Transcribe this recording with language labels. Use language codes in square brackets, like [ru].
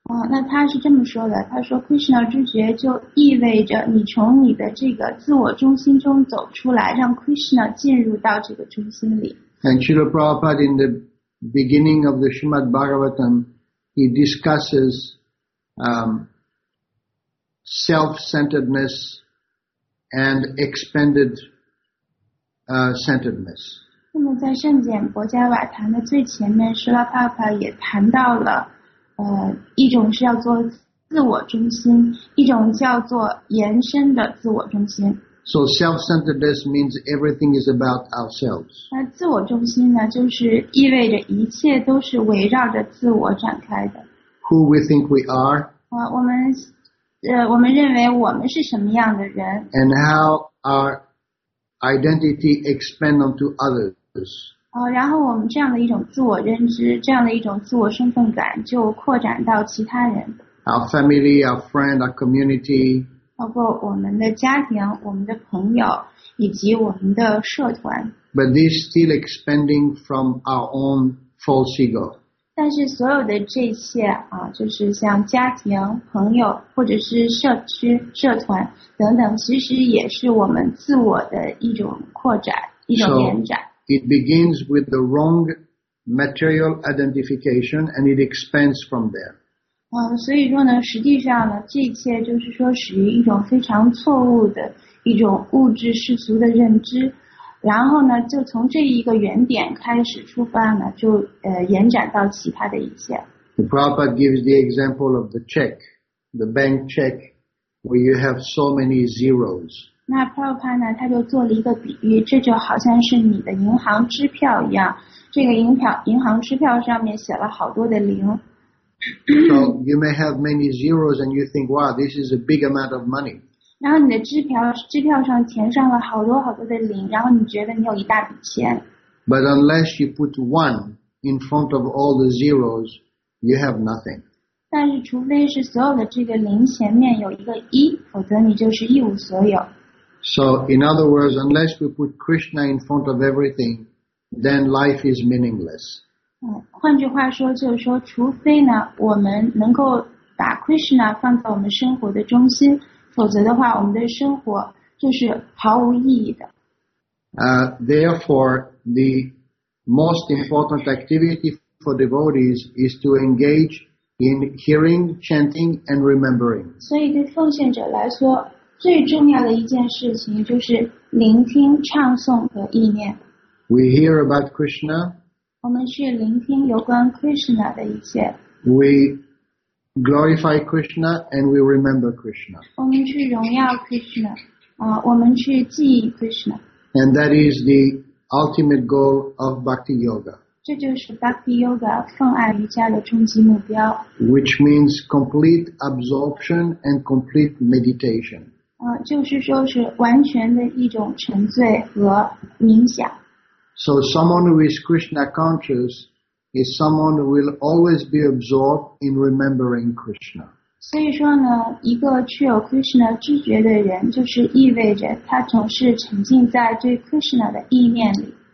[zh] 那他是这么说的，他说 Krishna 知觉就意味着你从你的这个自我中心中走出来，让 Krishna 进入到这个中心里。 [en] And Srila Prabhupada in the beginning of the Srimad Bhagavatam, he discusses, self-centeredness and expanded centeredness. [zh] 那么在圣简博伽瓦坛的最前面，释迦牟尼也谈到了，一种是要做自我中心，一种叫做延伸的自我中心。 [en] So self-centeredness means everything is about ourselves. [zh] 那自我中心呢，就是意味着一切都是围绕着自我展开的。 [en] Who we think we are. [zh] 我们认为我们是什么样的人。 [en] And how our identity expands onto others. [zh] 然后我们这样的一种自我认知，这样的一种自我身份感就扩展到其他人。 [en] Our family, our friend, our community. [zh] 包括我们的家庭，我们的朋友，以及我们的社团。 [en] But this still expanding from our own false ego. [zh] 但是所有的这些啊，就是像家庭、朋友，或者是社区、社团等等，其实也是我们自我的一种扩展，一种延展。 [en] So it begins with the wrong material identification, and it expands from there. [zh] 所以说呢，实际上呢，这一切就是说属于一种非常错误的一种物质世俗的认知，然后呢，就从这一个原点开始出发呢，就延展到其他的一切。 [en] The Prabhupada gives the example of the check, the bank check, where you have so many zeros. [zh] 那 Prabhupada 呢，他就做了一个比喻，这就好像是你的银行支票一样，这个银行支票上面写了好多的零。 [en] So you may have many zeros, and you think, "Wow, this is a big amount of money." [zh] 然后你的支票上填上了好多好多的零，然后你觉得你有一大笔钱。 [en] But unless you put one in front of all the zeros, you have nothing. [zh] 但是除非是所有的这个零前面有一个一，否则你就是一无所有。 [en] So in other words, unless we put Krishna in front of everything, then life is meaningless. [zh] 换句话说就是说，除非呢，我们能够把 Krishna 放在我们生活的中心，否则的话，我们的生活就是毫无意义的。 [en] Therefore, the most important activity for devotees is to engage in hearing, chanting, and remembering. [zh] 所以对奉献者来说，最重要的一件事情就是聆听、唱诵和意念。 [en] We hear about Krishna. [zh] 我们去聆听有关 Krishna 的一切。 [en] We glorify Krishna and we remember Krishna. [zh] 我们去荣耀 Krishna, 我们去记忆 Krishna. [en] And that is the ultimate goal of Bhakti Yoga. [zh] 这就是 Bhakti Yoga 奉爱瑜伽的终极目标。 [en] Which means complete absorption and complete meditation. [zh] 就是说是完全的一种沉醉和冥想。 [en] So someone who is Krishna conscious is someone who will always be absorbed in remembering Krishna. [zh] 所以说呢，一个具有 Krishna 知觉的人，就是意味着他总是沉浸在对 Krishna 的意念里。